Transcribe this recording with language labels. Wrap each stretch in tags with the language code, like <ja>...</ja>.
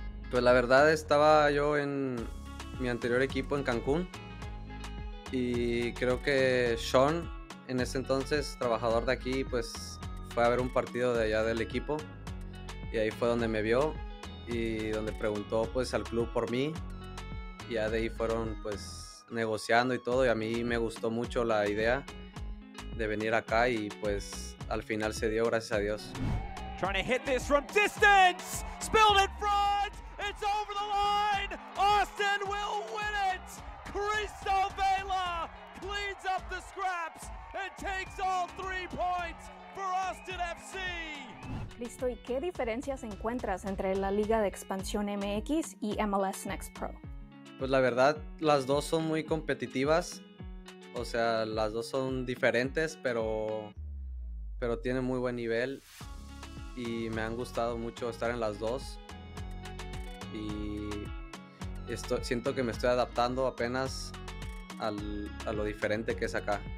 <es>Pues la verdad, estaba yo en mi anterior equipo en Cancún y creo que Sean, en ese entonces trabajador de aquí, pues fue a ver un partido de allá del equipo y ahí fue donde me vio y donde preguntó pues al club por mí. Ya de ahí fueron pues negociando y todo, y a mí me gustó mucho la idea de venir acá y pues al final se dio, gracias a Dios.</es> <en>Trying to hit this from distance, spilled in front, it's over the line, Austin will win it, Cristo Vela cleans up the scraps and takes all 3 points for Austin FC.</en> <es>Cristo, ¿y qué diferencias encuentras entre la Liga de Expansión MX y MLS Next Pro? Pues la verdad, las dos son muy competitivas, o sea, las dos son diferentes, pero tienen muy buen nivel y me han gustado mucho estar en las dos y siento que me estoy adaptando apenas a lo diferente que es acá.</es>